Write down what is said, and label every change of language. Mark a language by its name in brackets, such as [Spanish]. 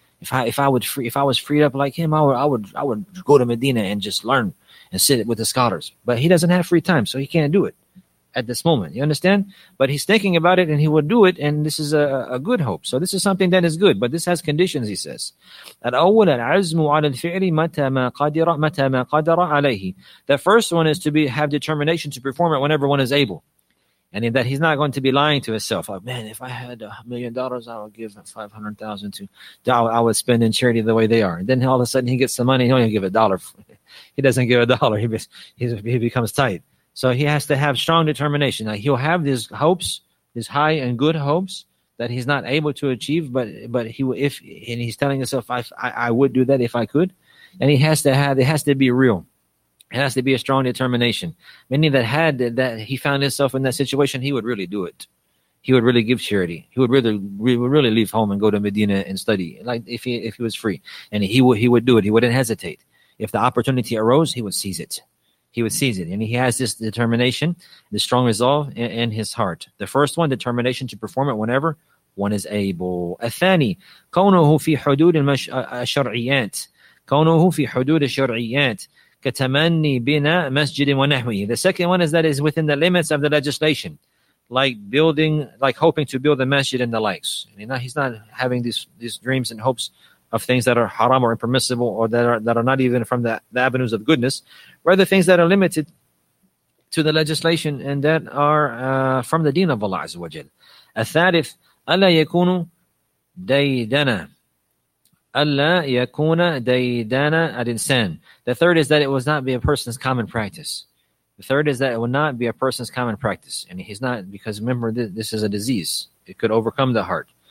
[English] If I was freed up like him, I would go to Medina and just learn and sit with the scholars." But he doesn't have free time, so he can't do it at this moment. You understand? But he's thinking about it, and he would do it, and this is a good hope. So this is something that is good, but this has conditions, he says. [Arabic] الأول العزم على الفعل متى ما قدر عليه. [English] The first one is to have determination to perform it whenever one is able. And in that, he's not going to be lying to himself. Like, man, if I had $1 million, I would give $500,000 to, I would spend in charity the way they are. And then all of a sudden, he gets some money. He don't even give a dollar. He doesn't give a dollar. He becomes tight. So he has to have strong determination. Now, he'll have these hopes, these high and good hopes that he's not able to achieve. But he's telling himself, I would do that if I could. And it has to be real. It has to be a strong determination. Meaning that he found himself in that situation, he would really do it. He would really give charity. He would really leave home and go to Medina and study. Like if he was free, and he would do it. He wouldn't hesitate. If the opportunity arose, he would seize it. He would seize it. And he has this determination, this strong resolve in his heart. The first one, determination to perform it whenever one is able. [Arabic] الثاني كونه في حدود الشرعيات كونه في حدود الشرعيات كتمني بناء مسجد ونحوه. [English] The second one is that is within the limits of the legislation, like building, like hoping to build a masjid and the likes. And he's not having these dreams and hopes of things that are haram or impermissible, or that are not even from the avenues of goodness, rather things that are limited to the legislation and that are from the deen of Allah Azza wa Jal. [Arabic] الثالث ألا يكون ديدنا ألا يكون ديدنا الإنسان. [English] The third is that it will not be a person's common practice. The third is that it will not be a person's common practice. And he's not, because remember, this is a disease. It could overcome the heart.